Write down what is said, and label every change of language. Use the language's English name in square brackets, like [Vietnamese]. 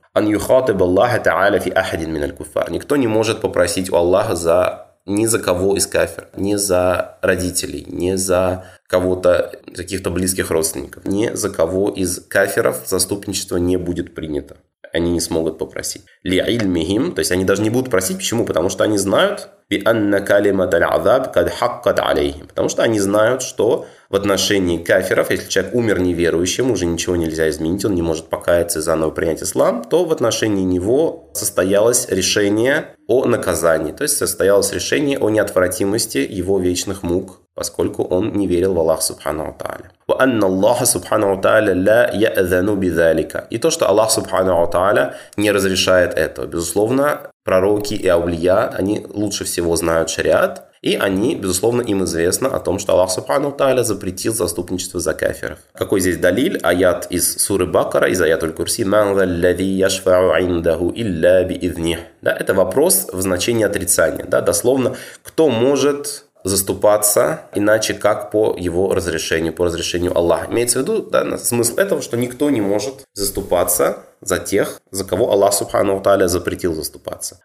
[Arabic] «Ан юхатиб Аллаха та'аля фи ахадин миналь куфар». [Russian] Никто не может попросить у Аллаха за ни за кого из кафир, ни за родителей, ни за кого-то, каких-то близких родственников, ни за кого из кафиров заступничество не будет принято. Они не смогут попросить. [Arabic] Ли ильмихим, [Russian] то есть они даже не будут просить, почему? Потому что они знают, [Arabic] بأن كلمة العذاب قد حقت عليهم. [Russian] Потому что они знают, что в отношении кафиров, если человек умер неверующим, уже ничего нельзя изменить, он не может покаяться и заново принять ислам, то в отношении него состоялось решение о наказании. То есть состоялось решение о неотвратимости его вечных мук, поскольку он не верил в Аллах Субхану Тааля. [Arabic] وأن الله سبحانه وتعالى لا يأذن بذلك. [Russian] И то, что Аллах سبحانه وتعالى не разрешает этого. Безусловно, пророки и аулия, они лучше всего знают шариат, и они, безусловно, им известно о том, что Аллах سبحانه وتعالى запретил заступничество за кафиров. Какой здесь далил? Аят из суры Бакара, из аятуль Курси. [Arabic] من ذا الذي يشفع عنده إلا بإذنه. [Russian] Да, это вопрос в значении отрицания. Да, дословно, кто может заступаться иначе как по его разрешению, по разрешению Аллаха. Имеется в виду, да, смысл этого, что никто не может заступаться за тех, за кого Аллах Субхану ва Тааля запретил заступаться.